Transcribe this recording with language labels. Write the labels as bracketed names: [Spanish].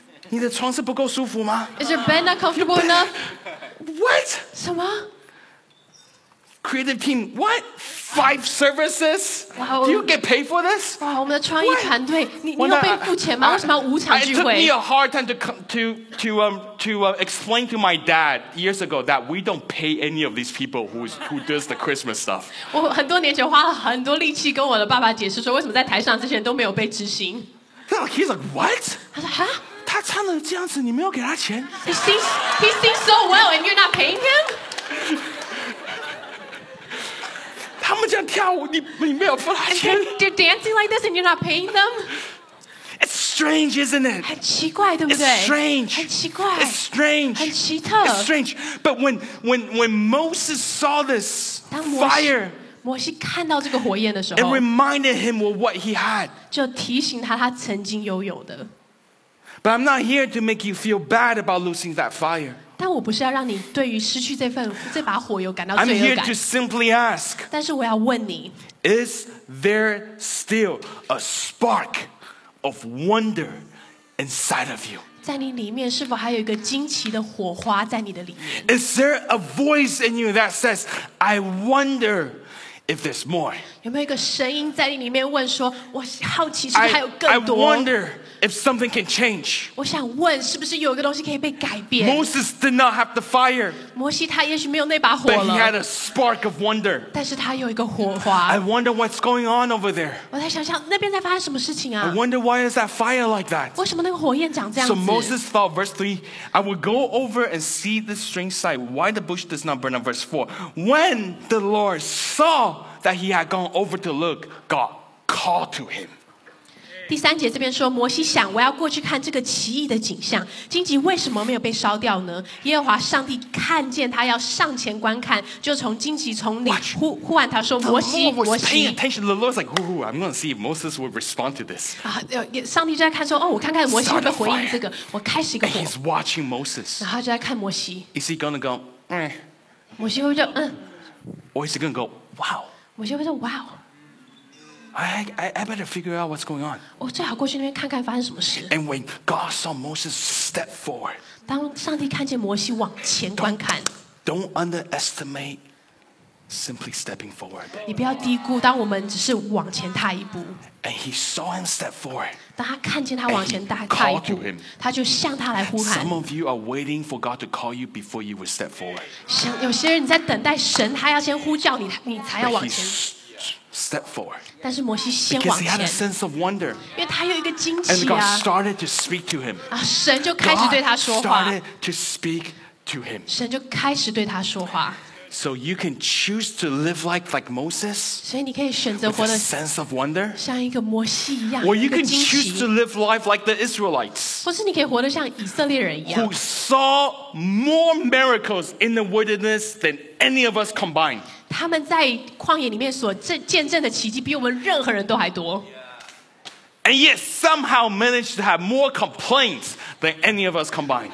[Chinese] 你的床是不够舒服吗 [English] Is your bed not comfortable enough? What? [Chinese] 什么 [English] Creative team, what? 5 services? Wow, Do you get paid for this? [Chinese] 哇我们的创意团队你有被付钱吗为什么要五场聚会 [English] It took me a hard time to explain to my dad years ago that we don't pay any of these people who does the Christmas stuff. [Chinese] 我很多年前花了很多力气跟我的爸爸解释说为什么在台上这些人都没有被执行。 [English] He's like, what? [Chinese] 他说，哈？他唱的这样子你没有给他钱？ [English] He sings so well and you're not paying him? [Chinese] 他们这样跳舞你没有付他钱？ [English] They're dancing like this and you're not paying them? It's strange, isn't it? [Chinese] 很奇怪，对不对？ [English] It's strange. [Chinese] 很奇怪。 [English] It's strange. [Chinese] 很奇特。 [English] It's strange. But when Moses saw this fire, [Chinese] 摩西看到这个火焰的时候， [English] it reminded him of what he had. [Chinese] 就提醒他他曾经拥有的。 [English] But I'm not here to make you feel bad about losing that fire. [Chinese] 但我不是要让你对于失去这把火有感到罪恶感。 [English] I'm here to simply ask. [Chinese] 但是我要问你， [English] Is there still a spark? Of wonder inside of you. [Chinese] 在你里面是否还有一个惊奇的火花在你的里面？ [English] Is there a voice in you that says, "I wonder if there's more"? [Chinese] 有没有一个声音在你里面问说，我好奇是不是还有更多？ [English] I wonder if something can change. [Chinese] 我想问是不是有一个东西可以被改变？ [English] Moses did not have the fire. [Chinese] 摩西他也许没有那把火了。 [English] But he had a spark of wonder. [Chinese] 但是他有一个火花。 [English] I wonder what's going on over there. [Chinese] 我在想象那边在发生什么事情啊。 [English] I wonder why is that fire like that? [Chinese] 为什么那个火焰长这样子？ [English] So Moses thought, verse 3, I will go over and see the strange sight, why the bush does not burn up. Verse 4, when the Lord saw that he had gone over to look, God called to him. [Chinese] 第三节这边说摩西想我要过去看这个奇异的景象荆棘为什么没有被烧掉呢耶和华上帝看见他要上前观看就从荆棘丛里 呼唤他说摩西摩西 [English] paying attention the Lord's like I'm going to see if Moses will respond to this [Chinese] 上帝就在看说哦，我看看摩西会不会回应这个我开始一个火 [English] he's watching Moses [Chinese] 然后就在看摩西 [English] is he going to go [Chinese] 摩西会不会就 [English] or is he going to go wow [Chinese] 摩西会不会说 wow [English] I better figure out what's going on. [Chinese] 我最好过去那边看看发生什么事。 [English] And when God saw Moses step forward, [Chinese] 当上帝看见摩西往前观看 [English] don't underestimate simply stepping forward. [Chinese] 你不要低估，当我们只是往前踏一步。 [English] And he saw him step forward. [Chinese] 当他看见他往前大踏一步，他就向他来呼喊。 [English] Some of you are waiting for God to call you before you will step forward. [Chinese] 有些人在等待神，他要先呼叫你，你才要往前。 [English] Step forward. [Chinese] 但是摩西先往前。 [English] Because he had a sense of wonder. [Chinese] 因为他有一个惊奇啊。 [English] And God started to speak to him. [Chinese] 啊，神就开始对他说话。 [English] God started to speak to him. [Chinese] 神就开始对他说话。 [English] So you can choose to live like Moses, [Chinese] 所以你可以选择活得 [English] with a sense of wonder, [Chinese] 像一个摩西一样。 [English] Or you can choose to live life like the Israelites, [Chinese] 或是你可以活得像以色列人一样。 [English] Who saw more miracles in the wilderness than any of us combined? [Chinese] 他们在旷野里面所见证的奇迹比我们任何人都还多。 [English] And yet somehow managed to have more complaints than any of us combined.